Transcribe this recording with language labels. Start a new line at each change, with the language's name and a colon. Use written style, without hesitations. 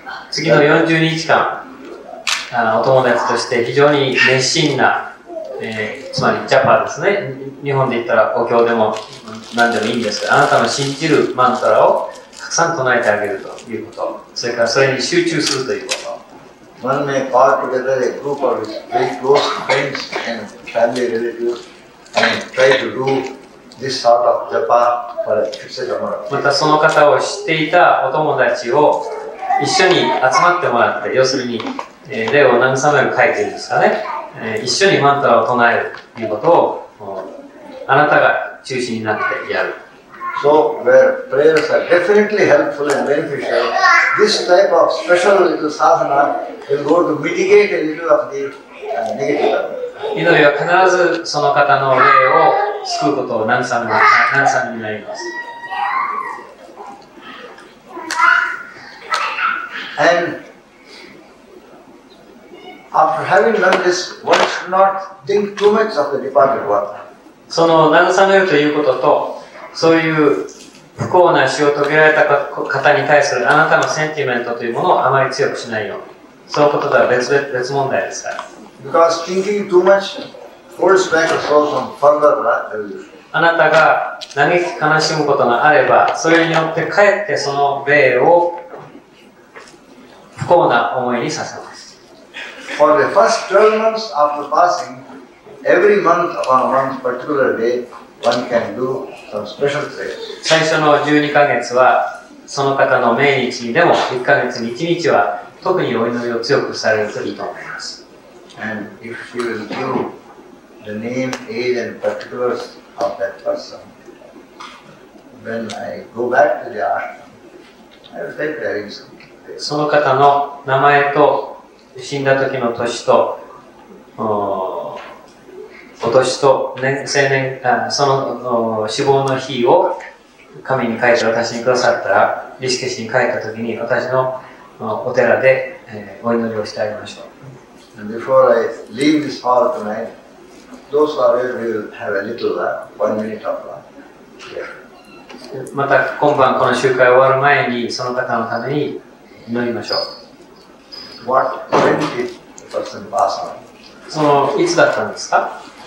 Japanese: 次の40日間、お友達として非常に熱心な、つまりジャパですね、日本で言ったらお経でも何でもいいんですが、あなたの信じるマントラをたくさん唱えてあげるということ、それからそれに集中するということ。
English: One may call together a group of his very close friends and family relatives and try to do this sort of japa for a fixed amount of time.
Japanese: またその方を知っていたお友達を一緒に集まってもらって、要するに霊を慰める会というんですかね、一緒にマントラを唱えるということをあなたが中心になってやる。
English: So where prayers are definitely helpful and beneficial, this type of special little sadhana will go to mitigate a little of the negative.
Japanese: 祈りは必ずその方の霊を救うことを慰めになります。
English: AndAfter having done this, one should not think too much of the departed one.
Japanese: その慰めるということと、そういう不幸な死を遂げられた方に対するあなたのセンティメントというものをあまり強くしないように。そのこととは別問題ですから。
English: Because thinking too much holds back a soul from further evolution.
Japanese: あなたが嘆き悲しむことがあれば、それによってかえってその霊を不幸な思いにさせます。
English: For the first 12 months after passing, every month on one's particular day, one can do some special prayers.
Japanese: 最初の12ヶ月は、その方の命日にでも、1ヶ月に1日は、特にお祈りを強くされるといいと思います。
English: And if you will give the name, age and particulars of that person, when I go back to the ashram, I will take care of some prayers.
Japanese: その方の名前と、死んだ時の年と、お年と、ね、生年、その死亡の日を紙に書いて私にくださったら、リシケシに書いた時に私のお寺で、お祈りをしてあげましょう。
English: And before I leave this hall tonight, those are where we will have a little one minute of prayer.
Japanese: また今晩この集会終わる前にその方のために祈りましょう。
English: What when did the person pass on?
Japanese: そのいつだったんですか？